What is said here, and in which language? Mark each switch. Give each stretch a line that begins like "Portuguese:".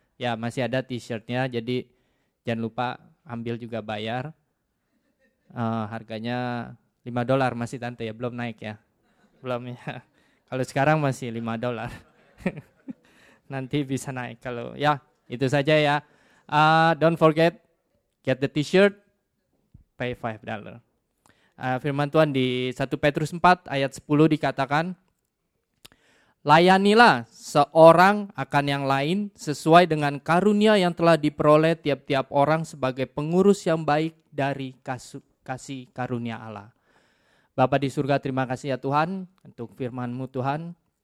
Indonesian: Ya, masih ada t-shirtnya. Jadi jangan lupa ambil juga bayar. Harganya $5 masih Tante ya, belum naik ya. Belum ya. Kalau sekarang masih $5. Nanti bisa naik kalau ya, itu saja ya.
English: Don't forget get the t-shirt, pay $5.
Indonesian: Firman Tuhan di 1 Petrus 4 ayat 10 dikatakan, layanilah seorang akan yang lain sesuai dengan karunia yang telah diperoleh tiap-tiap orang sebagai pengurus yang baik dari kasih karunia Allah. Bapa di surga, terima kasih ya Tuhan untuk firman-Mu Tuhan.